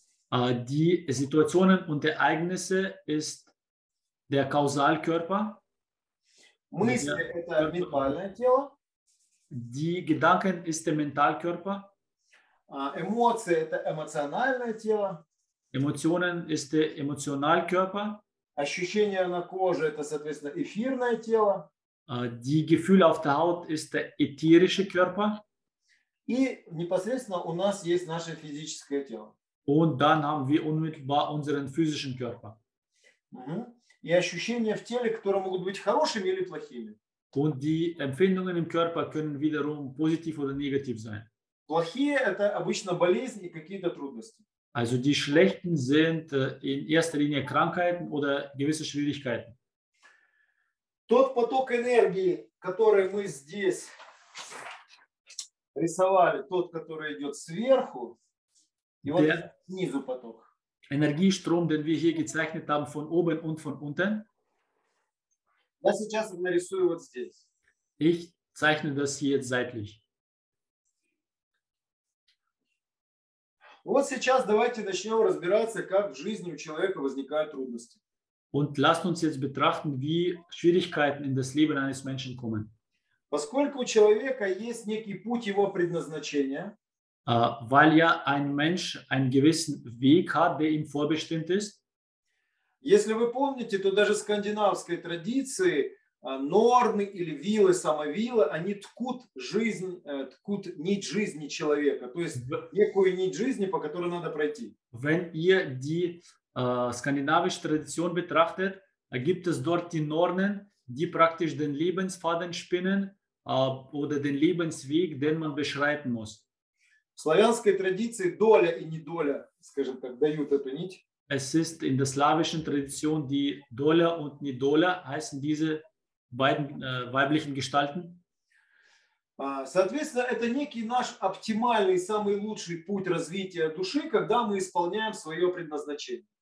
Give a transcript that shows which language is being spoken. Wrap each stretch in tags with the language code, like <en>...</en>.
<de>Die Situationen und Ereignisse ist der Kausalkörper.</de> <ru>Мысли – это ментальное тело.</ru> <de>Die Gedanken ist der Mentalkörper.</de> <ru>Эмоции – это эмоциональное тело.</ru> <de>Emotionen ist der Emotionalkörper.</de> <ru>Ощущения на коже – это, соответственно, эфирное тело.</ru> <de>Die Gefühle auf der Haut ist der ätherische Körper.</de> <ru>И непосредственно у нас есть наше физическое тело.</ru> <de>Und dann haben wir unmittelbar unseren physischen Körper.</de> <ru>И ощущения в теле, которые могут быть хорошими или плохими.</ru> <de>Und die Empfindungen im Körper können wiederum positiv oder negativ sein.</de> <ru>Плохие – это обычно болезнь и какие-то трудности.</ru> <de>Also die schlechten sind in erster Linie Krankheiten oder gewisse Schwierigkeiten.</de> <ru>Тот поток энергии, который мы здесь рисовали, тот, который идет сверху, и вот снизу поток.</ru> <de>Энергиестром, den wir hier gezeichnet haben, von oben und von unten.</de> <ru>Я сейчас нарисую вот здесь.</ru> <de>Ich zeichne das hier jetzt seitlich.</de> <ru>Вот сейчас давайте начнем разбираться, как в жизни у человека возникают трудности.</ru> <de>Und lasst uns jetzt betrachten, wie Schwierigkeiten in das Leben eines Menschen kommen.</de> <ru>Поскольку у человека есть некий путь его предназначения,</ru> <de>weil ja ein Mensch einen gewissen Weg hat, der ihm vorbestimmt ist.</de> <ru>Если вы помните, то даже в скандинавской традиции норны или вилы, самовилы, они ткут нить жизни человека, то есть некую нить жизни, по которой надо пройти.</ru> <de>Wenn ihr die skandinavische Tradition betrachtet, gibt es dort die Nornen, die praktisch den Lebensfaden spinnen oder den Lebensweg, den man beschreiten muss.</de> <ru>В славянской традиции доля и недоля, скажем так, дают эту нить.</ru> <de>Es ist in der slawischen Tradition die Dolja und Nidolja, heißen diese beiden weiblichen Gestalten.</de> <ru>Соответственно, это некий наш оптимальный, самый лучший путь развития души, когда мы исполняем свое предназначение.</ru>